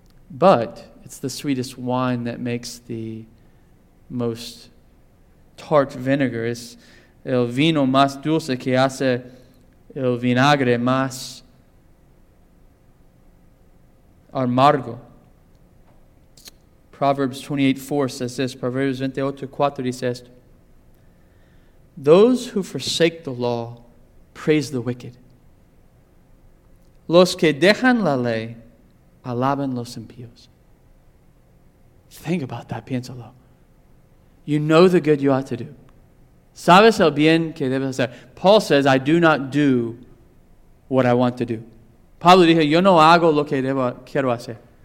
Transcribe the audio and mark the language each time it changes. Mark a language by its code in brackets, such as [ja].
[en] But it's the sweetest wine that makes the most tart vinegar. [es] Es el vino más dulce que hace el vinagre más amargo. [en] Proverbs 28:4 says this. [es] Proverbs 28:4 dice esto. [en] Those who forsake the law praise the wicked. [es] Los que dejan la ley alaban los impíos. [en] Think about that, [es] piénsalo. [en] You know the good you ought to do. [es] Sabes el bien que debes hacer. [en] Paul says, I do not do what I want to do. [es] Pablo dijo, yo no hago lo que debo, quiero hacer.